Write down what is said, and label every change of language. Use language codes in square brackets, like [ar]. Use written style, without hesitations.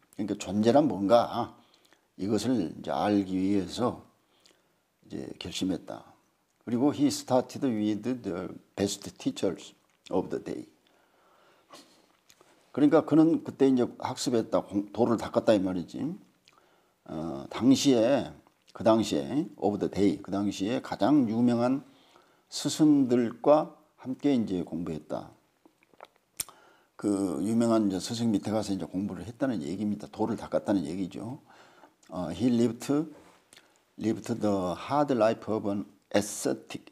[ko] 그러니까 존재란 뭔가 이것을 이제 알기 위해서 이제 결심했다. 그리고 [en] he started with the best teachers of the day. [ko] 그러니까 그는 그때 이제 학습했다 도를 닦았다 이 말이지. 그 당시에 [en] of the day [ko] 그 당시에 가장 유명한 스승들과 함께 이제 공부했다. 그 유명한 이제 스승 밑에 가서 이제 공부를 했다는 얘기입니다. 도를 닦았다는 얘기죠. [en] He lived the hard life of an ascetic.